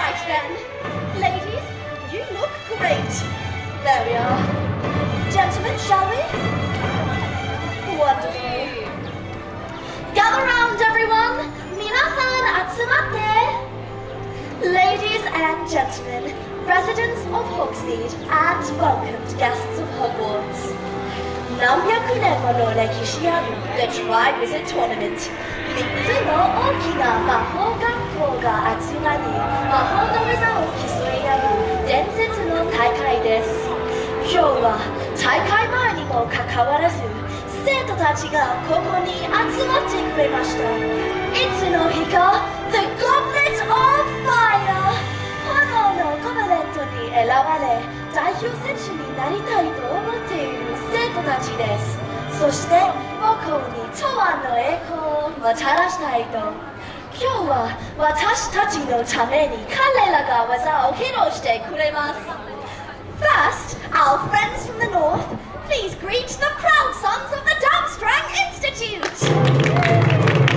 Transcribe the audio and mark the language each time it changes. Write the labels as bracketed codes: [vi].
[en] Right then. Ladies, you look great. There we are. Gentlemen, shall we? Wonderful. Gather round, everyone. [ja] 皆さん、集まって。 [en] Ladies and gentlemen, residents of Hogsmeade and welcomed guests of Hogwarts. [ja] 何百年もの歴史ある The Tribe is a Tournament 3つの大きな魔法学校が集まり魔法の技を競い合う伝説の大会です。今日は大会前にもかかわらず生徒たちがここに集まってくれました。いつの日か The Goblet of Fire 炎のゴブレットに選ばれ代表選手になりたいと思っている生徒たちです。そして母校に長安の栄光をもたらしたいと、今日は私たちのために彼らが技を披露してくれます。 [en] First, our friends from the north, please greet the proud sons of the Darmstrang Institute!